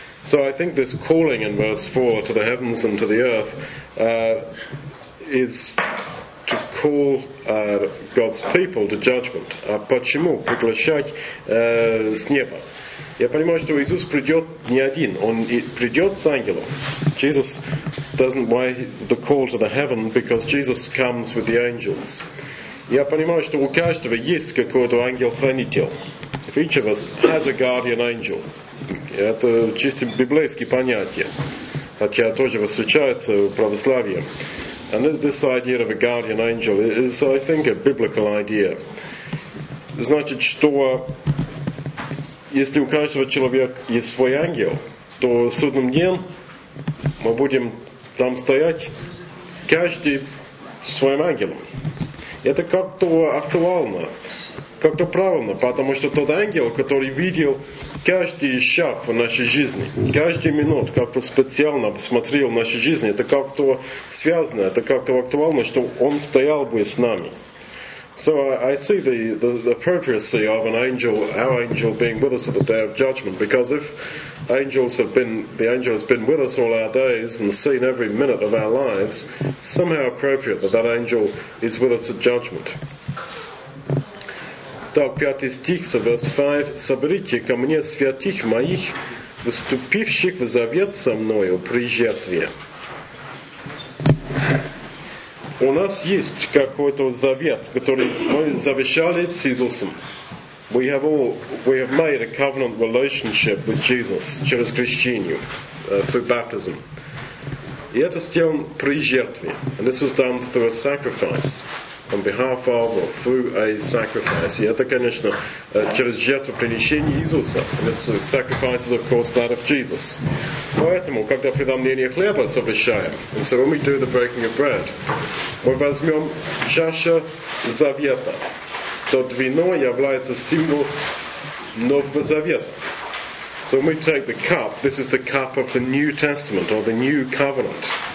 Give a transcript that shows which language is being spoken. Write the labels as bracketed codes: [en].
[en] So I think this calling in verse 4 to the heavens and to the earth is to call God's people to judgment. [ru] А почему приглашать с неба? Я понимаю, что Иисус придет не один. Он придет с ангелом. [en] Jesus doesn't why the call to the heaven because Jesus comes with the angels. [ru] Я понимаю, что у каждого есть какой-то ангел-хранитель. [en] Each of us has a guardian angel. [ru] Это чисто библейские понятия, хотя тоже встречается в православии. [en] And this idea of a guardian angel is, I think, a biblical idea. [ru] Значит, что если у каждого человека есть свой ангел, то в судном дне мы будем там стоять, каждый своим ангелом. Это как-то актуально, как-то правильно, потому что тот ангел, который видел каждый шаг в нашей жизни, каждую минуту как-то специально посмотрел в нашей жизни, это как-то связано, это как-то актуально, что он стоял бы с нами. [en] So I see the appropriacy of an angel, our angel being with us at the day of judgment, because if the angel has been with us all our days and seen every minute of our lives, it's somehow appropriate that that angel is with us at judgment. [ru] Так, 5 стих, [en] verse 5, [ru] «Соберите ко мне святых моих, выступивших в завет со мною при жертве». У нас есть какой-то завет, который мы завещали с Иисусом. [en] We have made a covenant relationship with Jesus [ru] через крещение, [en] through baptism. [ru] И это сделано при жертве. [en] And this was done through a sacrifice, on behalf of or through a sacrifice. [ru] И это, конечно, через жертвоприношение Иисуса. [en] And this sacrifice is, of course, that of Jesus. [ru] Поэтому, когда преломление хлеба совещаем, [en] and so when we do the breaking of bread, [ru] мы возьмем чашу завета. Тот вино является символом Нового Завета. [en] So when we take the cup, this is the cup of the New Testament, or the New Covenant.